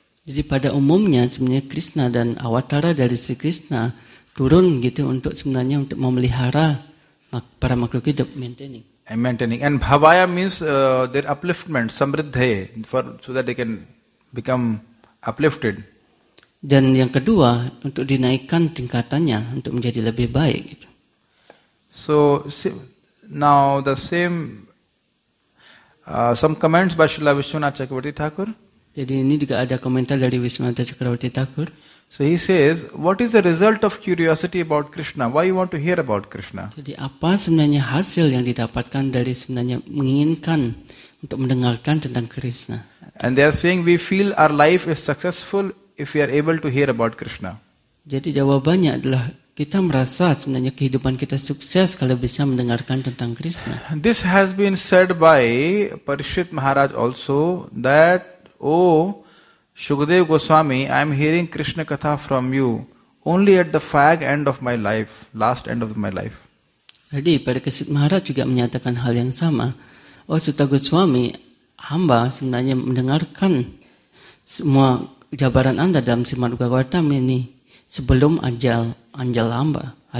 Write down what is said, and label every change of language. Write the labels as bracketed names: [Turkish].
[Indonesian] Jadi pada umumnya sebenarnya Krishna dan avatara dari Sri Krishna turun gitu untuk sebenarnya untuk memelihara para makhluk hidup, maintaining. [English] And maintaining. And Bhavaya means their upliftment, samriddhaye, so that they can become uplifted. [Indonesian] Dan yang kedua untuk dinaikkan tingkatannya untuk menjadi lebih baik. [English] So now the same some comments by Srila Vishwanatha Chakravarti Thakur. [Indonesian] Jadi ini juga ada komentar dari Vishwanatha Chakravarti Thakur. [English] So he says, what is the result of curiosity about Krishna? Why you want to hear about Krishna? [Indonesian] Jadi apa sebenarnya hasil yang didapatkan dari sebenarnya menginginkan untuk mendengarkan tentang Krishna? [English] And they are saying we feel our life is successful if we are able to hear about Krishna. [Indonesian] Jadi jawabannya adalah kita merasa sebenarnya kehidupan kita sukses kalau bisa mendengarkan tentang Krishna. [English] This has been said by Parikshit Maharaj also that, oh, Shukadev Goswami, I am hearing Krishna Katha from you only at the fag end of my life, last end of my life. [Indonesian] Jadi Parikshit Maharaj juga menyatakan hal yang sama. Oh, Suta Goswami, hamba sebenarnya mendengarkan semua jabaran Anda dalam Srimad Bhagavatam ini sebelum ajal hamba.